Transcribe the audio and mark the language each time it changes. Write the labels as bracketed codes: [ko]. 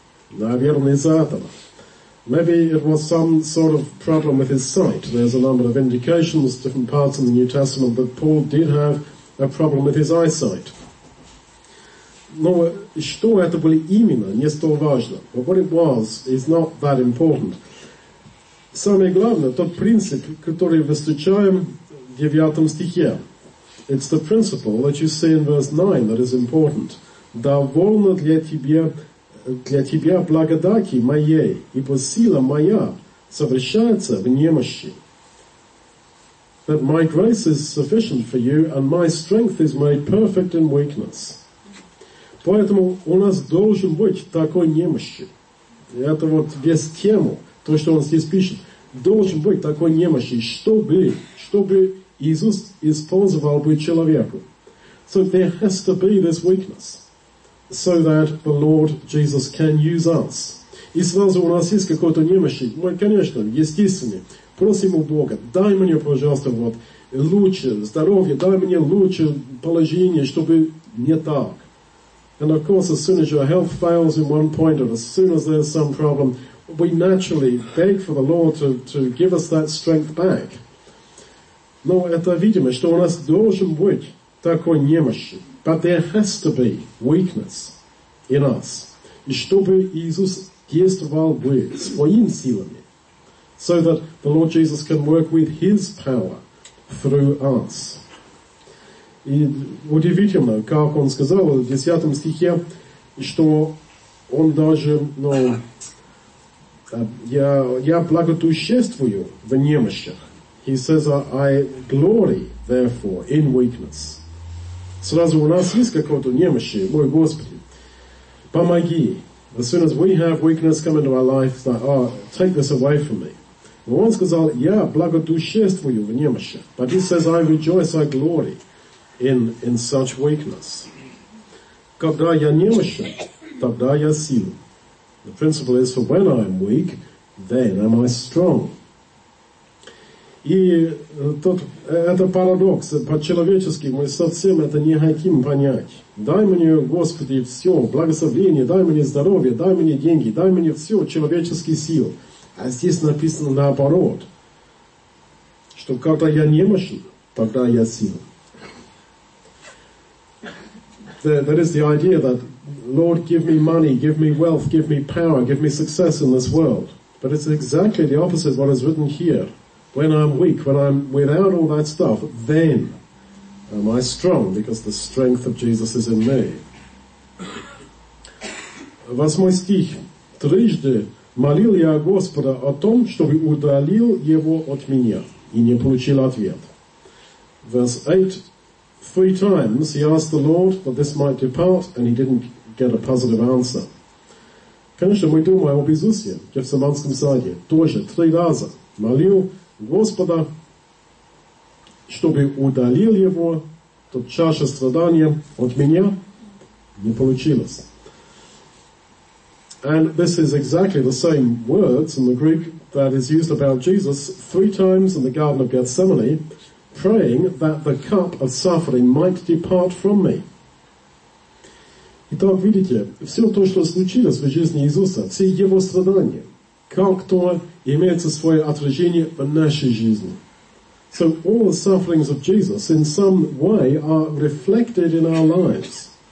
[ru] Наверное, из-за этого. [en] Maybe it was some sort of problem with his sight. There's a number of indications, different parts in the New Testament, that Paul did have a problem with his eyesight. [ru] Но что это было именно, не столь важно. [en] But what it was is not that important. [ru] Самое главное, тот принцип, который мы встречаем в 9 стихе. [en] It's the principle that you see in verse 9 that is important. [ru] Довольно для тебя... Для тебя благодати моей, ибо сила моя совершается в немощи. [en] That my grace is sufficient for you, and my strength is made perfect in weakness. [ru] Поэтому у нас должен быть такой немощи. Это вот без темы, то, что он здесь пишет. Должен быть такой немощи, чтобы Иисус использовал бы человеку. [en] So there has to be this weakness. So that the Lord Jesus can use us. [ru] И сразу у нас есть какое-то немощи. Мы, конечно, естественно, просим у Бога, дай мне, пожалуйста, вот, лучше здоровье, дай мне лучше положение, чтобы не так. [en] And of course, as soon as your health fails in one point, or as soon as there's some problem, we naturally beg for the Lord to give us that strength back. [ru] Но это видимо, что у нас должен быть такой немощи. [en] But there has to be weakness in us. [ru] И чтобы Иисус действовал бы своими силами. [en] So that the Lord Jesus can work with his power through us. [ru] И удивительно, как он сказал в 10 стихе, что он даже, ну, я благодушествую в немощах. [en] He says, I glory, therefore, in weakness. [ru] Сразу у нас есть какое-то немощи, мой Господи, помоги. [en] As soon as we have weakness come into our life, it's like, oh, take this away from me. [ru] Но он сказал, я благодушествую в немощи. [en] But he says, I rejoice, I glory. in such weakness. [ru] Когда я немощен, тогда я силен. [en] The principle is, for when I am weak, then am I strong. [ru] И тут это парадокс. По-человечески мы совсем это не хотим понять. Дай мне, Господи, все, благословение, дай мне здоровье, дай мне деньги, дай мне все, человеческие силы. А здесь написано наоборот, что когда я немощен, тогда я силен. [en] That is the idea that, Lord, give me money, give me wealth, give me power, give me success in this world. But it's exactly the opposite of what is written here. When I'm weak, when I'm without all that stuff, then am I strong, because the strength of Jesus is in me. [ru] Восьмой стих. Трижды молил я Господа о том, чтобы удалил его от меня, и не получил ответ. [en] Verse 8. Three times he asked the Lord that this might depart, and he didn't get a positive answer. [ru] Конечно, мы думаем об Иисусе, в Гефсиманском саде, тоже три раза молил Господа, чтобы удалил его, тот чаша страдания от меня, не получилось. [en] And this is exactly the same words in the Greek that is used about Jesus three times in the Garden of Gethsemane, praying that the cup of suffering might depart from me. [ru] Итак, видите, все то, что случилось в жизни Иисуса, все его страдания, как-то имеется свое отражение в нашей жизни. [en] So all the sufferings of Jesus in some way are reflected in our lives.